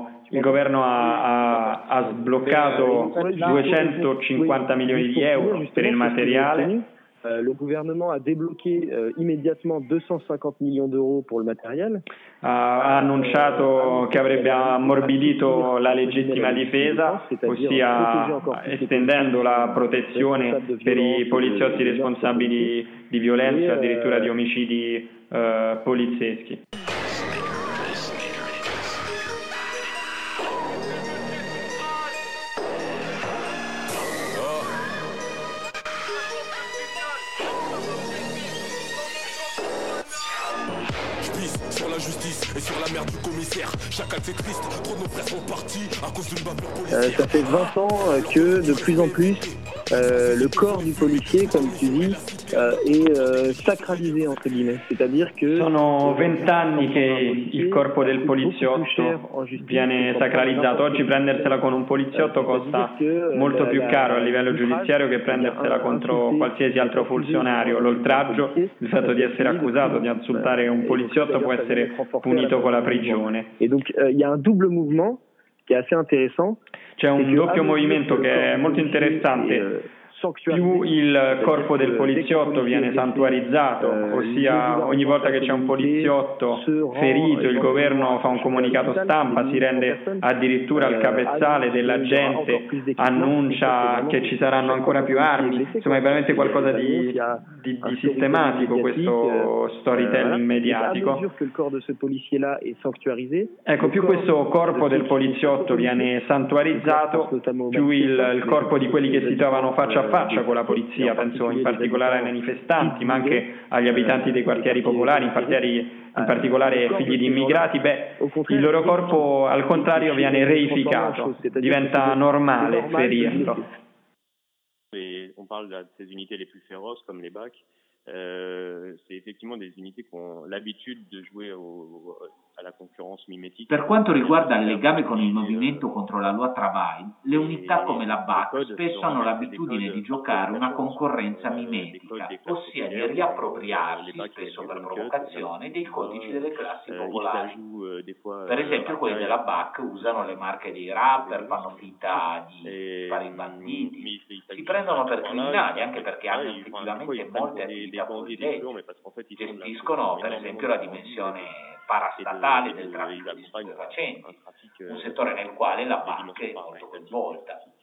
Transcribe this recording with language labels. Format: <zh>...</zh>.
<it>Il governo ha sbloccato 250 milioni di euro per il materiale.</it> <fr>Le gouvernement a débloqué immédiatement 250 millions d'euros pour le matériel.</fr> <it>Ha annunciato che avrebbe ammorbidito la legittima difesa, ossia estendendo la protezione per i poliziotti responsabili di violenza, addirittura di omicidi polizieschi.</it> <fr>Ça fait 20 ans que de plus en plus le corps du policier, comme tu dis, est sacralisé entre guillemets. C'est-à-dire que</fr> <it>sono 20 anni che il corpo del poliziotto viene sacralizzato. Oggi prendersela con un poliziotto costa molto più caro a livello giudiziario che prendersela contro qualsiasi altro funzionario. L'oltraggio, il fatto di essere accusato di insultare un poliziotto, può essere punito con la prigione.</it> <fr>E donc il y a un double mouvement qui est assez intéressant.</fr> <it>C'è un doppio movimento che è molto interessante. Più il corpo del poliziotto viene santuarizzato, ossia ogni volta che c'è un poliziotto ferito, il governo fa un comunicato stampa, si rende addirittura al capezzale della gente, annuncia che ci saranno ancora più armi. Insomma, è veramente qualcosa di sistematico questo storytelling mediatico. Ecco, più questo corpo del poliziotto viene santuarizzato, più il corpo di quelli che si trovano faccia a faccia con la polizia, penso in particolare ai manifestanti, ma anche agli abitanti dei quartieri popolari, in particolare figli di immigrati, il loro corpo al contrario viene reificato, diventa normale ferirlo.</it> <fr>On parle de ces unités les plus féroces comme les BAC, c'est effectivement des unités qui ont l'habitude de jouer</fr> <it>alla concorrenza mimetica. Per quanto riguarda il legame con il movimento contro la loi travail, le unità come la BAC spesso hanno l'abitudine di giocare una concorrenza mimetica, ossia di riappropriarsi, spesso per provocazione, dei codici delle classi popolari. Per esempio, quelli della BAC usano le marche dei rapper, fanno finta di fare i banditi, si prendono per criminali anche perché hanno effettivamente molte attività politiche, gestiscono per esempio la dimensione parastatale del traffico di stupefacenti, un settore nel quale la banca è molto coinvolta.</it>